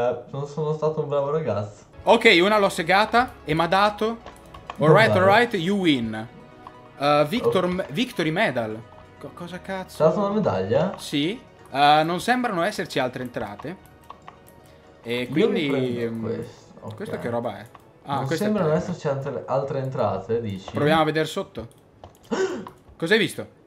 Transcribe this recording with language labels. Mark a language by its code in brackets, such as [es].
[it] Non sono stato un bravo ragazzo. Ok, una l'ho segata e mi ha dato... [en] Alright, alright, you win. [it] Victory medal. Cosa cazzo? C'è stata una medaglia? Sì. Non sembrano esserci altre entrate. E quindi... Questo okay. Che roba è? Ah, non sembrano esserci altre entrate, dici? Proviamo a vedere sotto. Cos'hai visto?